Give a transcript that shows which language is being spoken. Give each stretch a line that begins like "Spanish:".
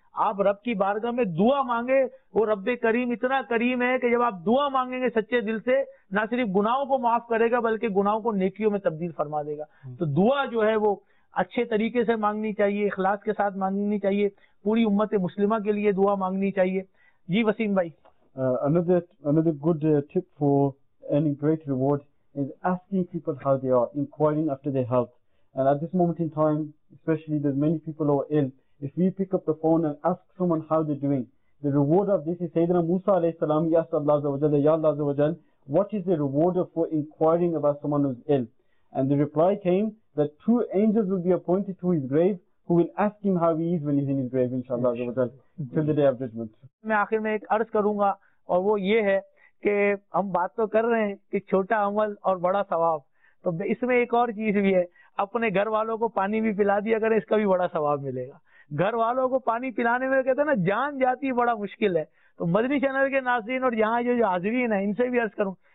Urdu: آپ رب کی بارگاہ میں دعا مانگے وہ رب کریم اتنا کریم ہے کہ جب آپ دعا مانگیں گے سچے دل سے نہ صرف گناہوں کو معاف کرے گا بلکہ گناہوں کو نیکیوں میں تبدیل فرما دے گا تو دعا جو ہے وہ اچھے طریقے سے مانگنی چاہیے اخلاص کے ساتھ مانگنی چاہیے پوری امت مسلمہ کے لیے دعا مانگنی چاہیے جی وسیم بھائی
English: another good tip for earning great reward is asking people how they are, inquiring after their health. And at this moment in time, especially there's many people who are ill. If we pick up the phone and ask someone how they're doing, the reward of this is Sayyidina Musa alayhi salam, Ya Allah azza wa jal, Ya Allah azza wa jal, what is the reward for inquiring about someone who's ill? And the reply came that two angels will be appointed to his grave who will ask him how he is when he's in his grave, inshallah azza wa jal, till the day of judgment.
Urdu: میں آخر میں ایک عرض کروں گا اور وہ یہ ہے کہ ہم بات تو کر رہے ہیں کہ چھوٹا عمل اور بڑا ثواب تو اس میں ایک اور چیز بھی ہے اپنے گھر والوں کو پانی بھی پلا دیا کریں اس کا بھی بڑا ثواب ملے گا گھر والوں کو پانی پلانے میں کہتے ہیں نا جان جاتی بڑا مشکل ہے تو مدنی چینل کے ناظرین اور یہاں جو حاضرین ہیں ان سے بھی عرض کروں